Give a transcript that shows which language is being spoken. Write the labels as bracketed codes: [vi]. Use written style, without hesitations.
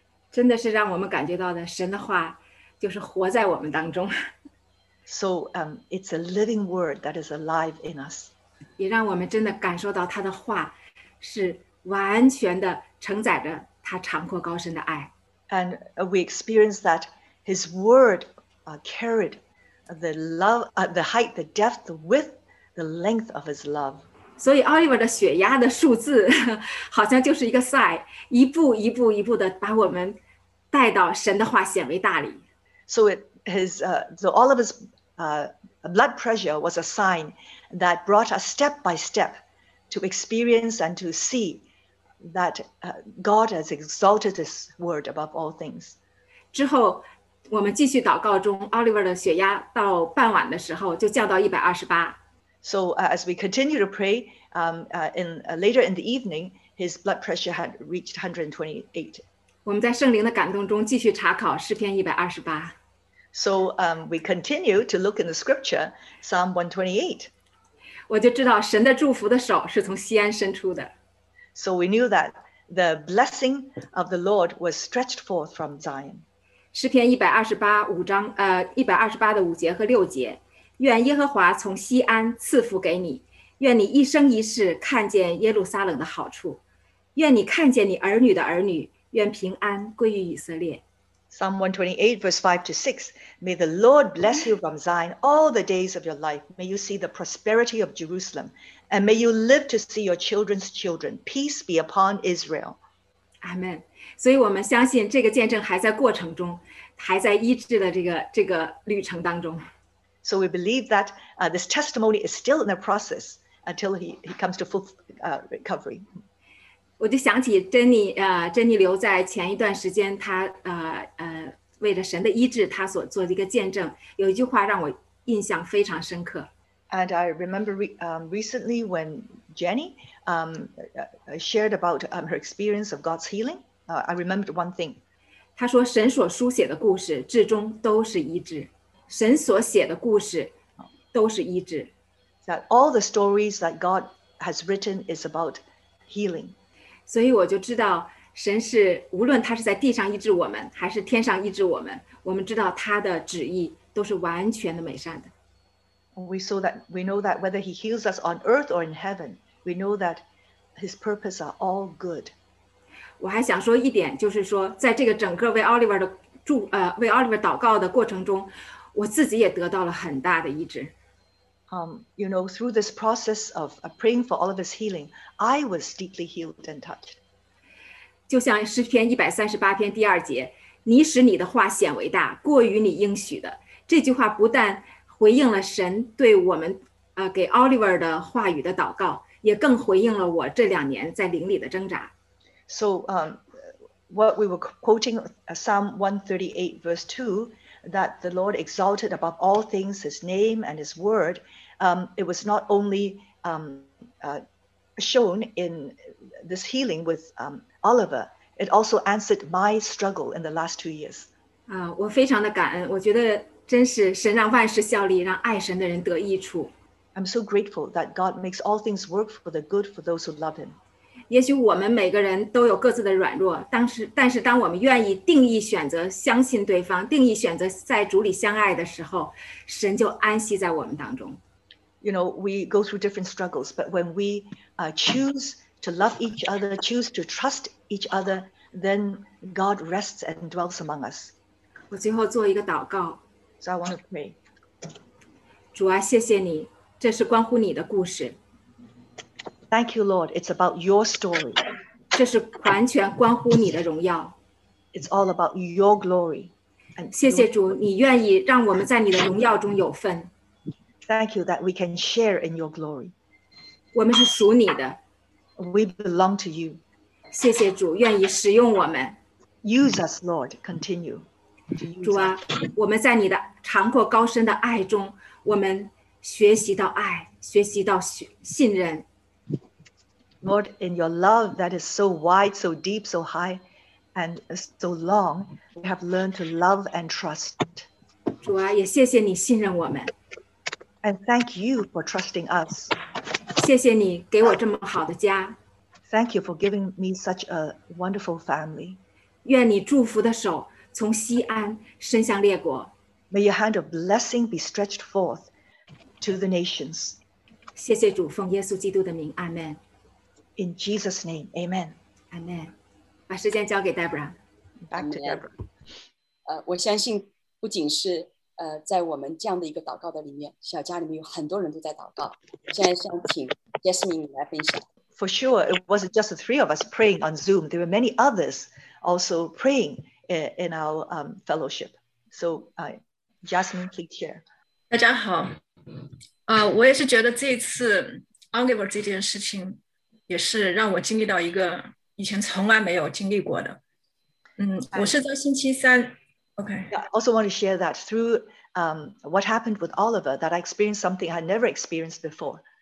[zh] 真的是让我们感觉到的神的话就是活在我们当中。 [en] So it's a living word that is alive in us. [zh] 也让我们真的感受到他的话是完全的承载着他长阔高深的爱。 [en] And we experience that his word carried the love, the height, the depth, the width, the length of his love. [zh] 所以 Oliver 的血压的数字好像就是一个 sign, 一步一步一步的把我们带到神的话显为大里。 [en] So all of his blood pressure was a sign that brought us step by step to experience and to see that God has exalted his word above all things. [zh] 之后我们继续祷告中 ，Oliver 的血压到傍晚的时候就降到128。 [en] So as we continue to pray, later in the evening, his blood pressure had reached 128. [zh] 我们在圣灵的感动中继续查考诗篇128。 [en] So we continue to look in the scripture, Psalm 128. [zh] 我就知道神的祝福的手是从锡安伸出的。 [en] So we knew that the blessing of the Lord was stretched forth from Zion. [zh] 诗篇128的五节和六节，愿耶和华从锡安赐福给你，愿你一生一世看见耶路撒冷的好处，愿你看见你儿女的儿女，愿平安归于以色列。 [en] Psalm 128 verse 5 to 6, May the Lord bless you from Zion all the days of your life. May you see the prosperity of Jerusalem, and may you live to see your children's children. Peace be upon Israel. Amen. [zh] 所以我们相信这个见证还在过程中，还在医治的这个旅程当中。 [en] So we believe that this testimony is still in the process until he comes to full recovery. [zh] 我就想起珍妮，珍妮留在前一段时间，她为了神的医治，她所做的一个见证，有一句话让我印象非常深刻。 [en] And I remember recently when Jenny shared about her experience of God's healing. I remembered one thing. [zh] 他说神所书写的故事至终都是一致，神所写的故事都是一致。 [en] That all the stories that God has written is about healing. [zh] 所以我就知道神是无论他是在地上医治我们还是天上医治我们，我们知道他的旨意都是完全的美善的。 [en] We know that whether he heals us on earth or in heaven, we know that his purpose are all good. [zh] 我还想说一点，就是说在这个整个为 Oliver 的祝为 Oliver 祷告的过程中，我自己也得到了很大的医治。 [en] You know, through this process of praying for all of his healing, I was deeply healed and touched. [zh] 就像诗篇138篇第二节，你使你的话显为大，过于你应许的。这句话不但回应了神对我们给 Oliver 的话语的祷告，也更回应了我这两年在灵里的挣扎。 [en] So, what we were quoting Psalm 138 verse 2,that the Lord exalted above all things his name and his word, it was not only shown in this healing with Oliver, it also answered my struggle in the last 2 years. [zh] 我非常的感恩，我觉得真是神让万事效力，让爱神的人得益处。 [en] I'm so grateful that God makes all things work for the good for those who love him. [zh] 也许我们每个人都有各自的软弱，但是当我们愿意定义选择相信对方，定义选择在主里相爱的时候，神就安息在我们当中。 [en] You know, we go through different struggles, but when we choose to love each other, choose to trust each other, then God rests and dwells among us. [zh] 我最后做一个祷告。 [en] So I want to pray. [zh] 主啊，谢谢你，这是关乎你的故事。 [en] Thank you, Lord. It's about your story. [zh] 这是完全关乎你的荣耀。 [en] It's all about your glory. [zh] 谢谢主，你愿意让我们在你的荣耀中有份。 [en] Thank you that we can share in your glory. [zh] 我们是属你的。 [en] We belong to you. [zh] 谢谢主，愿意使用我们。 [en] Use us, Lord. Continue. [zh] 主啊，我们在你的长阔高深的爱中，我们学习到爱，学习到信任。 [en] Lord, in your love that is so wide, so deep, so high, and so long, we have learned to love and trust. [zh] 主啊，也谢谢你信任我们。 [en] And thank you for trusting us. [zh] 谢谢你给我这么好的家。 [en] Thank you for giving me such a wonderful family. [zh] 愿你祝福的手从西安伸向列国。 [en] May your hand of blessing be stretched forth to the nations. [zh] 谢谢主，奉耶稣基督的名，阿门。 [en] In Jesus' name, amen. [zh] Amen. 把时间交给 Deborah. [en] Back to Deborah. [zh] 我相信不仅是在我们这样的一个祷告的里面，小家里面有很多人都在祷告。现在想请 Jasmine 来分享。 [en] For sure, it wasn't just the three of us praying on Zoom. There were many others also praying in our fellowship. So, Jasmine, please share. [zh] 大家好。我也是觉得这一次 Oliver 这件事情也是让我经历到一个以前从来没有经历过的。我是在星期三。Okay. [en] Yeah, I also want to share that through what happened with Oliver, that I experienced something I had never experienced before.